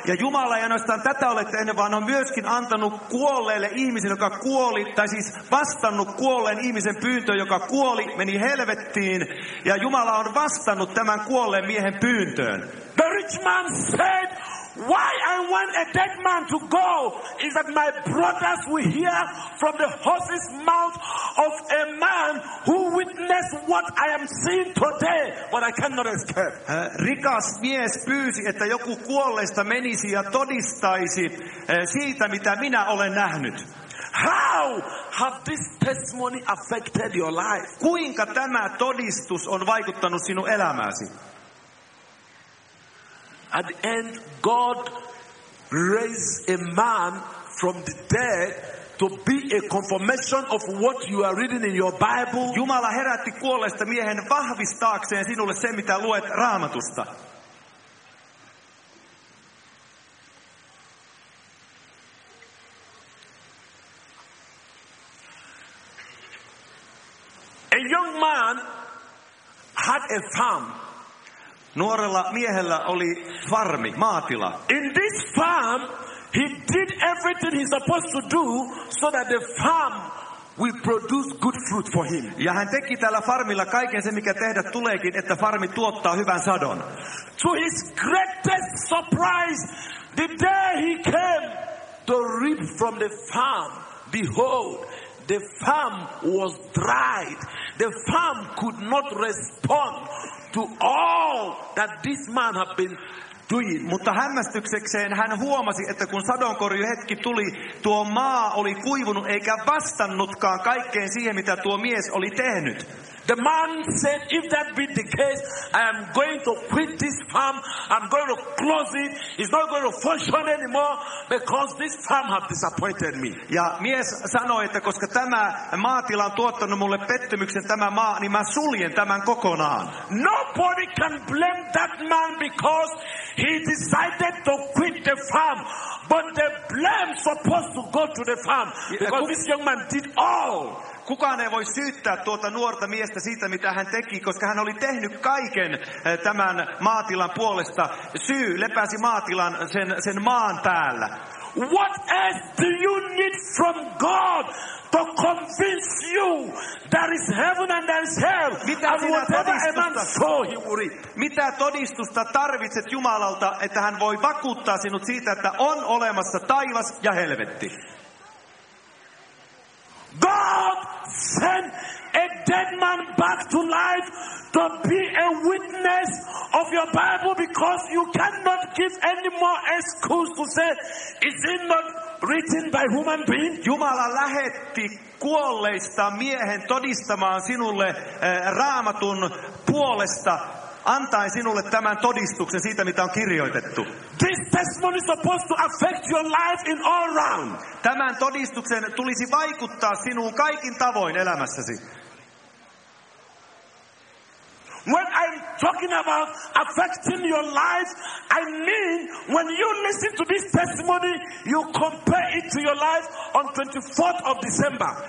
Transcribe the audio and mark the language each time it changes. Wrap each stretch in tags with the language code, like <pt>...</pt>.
<fi>Ja Jumala ei ainoastaan tätä ole tehnyt, vaan on myöskin antanut kuolleelle ihmisen, joka kuoli, tai siis vastannut kuolleen ihmisen pyyntöön, joka kuoli, meni helvettiin. Ja Jumala on vastannut tämän kuolleen miehen pyyntöön.</fi> <en>The rich man said, why I want a dead man to go is that my brothers will hear from the horse's mouth of a man who witnessed what I am seeing today, but I cannot escape.</en> <fi>Rikas mies pyysi, että joku kuolleista menisi ja todistaisi siitä, mitä minä olen nähnyt.</fi> <en>How have this testimony affected your life?</en> <fi>Kuinka tämä todistus on vaikuttanut sinun elämääsi?</fi> <en>At the end, God raised a man from the dead to be a confirmation of what you are reading in your Bible.</en> <fi>Jumala herätti kuolleesta miehen vahvistaakseen sinulle sen, mitä luet Raamatusta.</fi> <en>A young man had a farm.</en> <fi>Nuorella miehellä oli farmi, maatila.</fi> <en>In this farm, he did everything he's supposed to do so that the farm will produce good fruit for him.</en> <fi>Ja hän teki tällä farmilla kaiken sen, mikä tehdä tuleekin, että farmi tuottaa hyvän sadon.</fi> <en>To his greatest surprise, the day he came to reap from the farm, behold, the farm was dried. The farm could not respond to all that this man had been doing.</en> <fi>Mutta hämmästyksekseen hän huomasi, että kun sadonkorjuuhetki tuli, tuo maa oli kuivunut eikä vastannutkaan kaikkeen siihen, mitä tuo mies oli tehnyt.</fi> <en>The man said, if that be the case, I am going to quit this farm. I'm going to close it. It's not going to function anymore because this farm has disappointed me.</en> <fi>Ja mies sanoi, että koska tämä maatila on tuottanut mulle pettymyksen tämä maa, niin mä suljen tämän kokonaan.</fi> <en>Nobody can blame that man because he decided to quit the farm. But the blame supposed to go to the farm because this young man did all.</en> <fi>Kukaan ei voi syyttää tuota nuorta miestä siitä, mitä hän teki, koska hän oli tehnyt kaiken tämän maatilan puolesta. Syy lepäsi maatilan sen maan päällä.</fi> <en>What else do you need from God to convince you there is heaven and there is hell?</en> <fi>Mitä</fi> <en>and whatever a man saw, he will reap.</en> <fi>Mitä todistusta tarvitset Jumalalta, että hän voi vakuuttaa sinut siitä, että on olemassa taivas ja helvetti?</fi> <en>God sent a dead man back to life to be a witness of your Bible because you cannot give any more excuse to say, is it not written by human being?</en> <fi>Jumala lähetti kuolleista miehen todistamaan sinulle Raamatun puolesta, antaen sinulle tämän todistuksen siitä, mitä on kirjoitettu.</fi> <en>This testimony is supposed to affect your life in all round.</en> <fi>Tämän todistuksen tulisi vaikuttaa sinuun kaikin tavoin elämässäsi.</fi> <en>When I'm talking about affecting your life, I mean when you listen to this testimony, you compare it to your life on 24th of December.</en>